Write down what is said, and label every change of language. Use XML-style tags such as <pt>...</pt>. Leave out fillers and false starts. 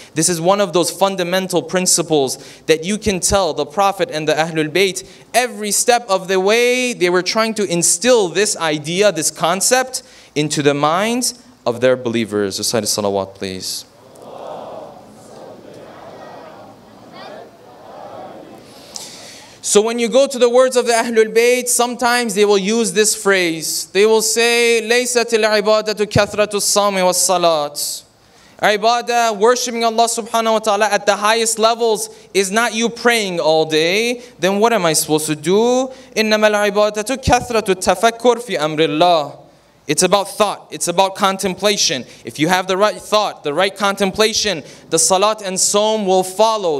<en>This is one of those fundamental principles that you can tell the Prophet and the Ahlul Bayt, every step of the way, they were trying to instill this idea, this concept, into the minds of their believers. Recite the salawat, please. So when you go to the words of the Ahlul Bayt, sometimes they will use this phrase. They will say,</en> <ar>لَيْسَتِ الْعِبَادَةُ كَثْرَةُ الصَّامِ وَالصَّلَاةِ.</ar> <en>Ibadah, worshipping Allah subhanahu wa ta'ala at the highest levels, is not you praying all day. Then what am I supposed to do?</en> <ar>إِنَّمَا الْعِبَادَةُ كَثْرَةُ التَّفَكُّرْ فِي أَمْرِ اللَّهِ.</ar> <en>It's about thought. It's about contemplation. If you have the right thought, the right contemplation, the salat and sawm will follow.</en>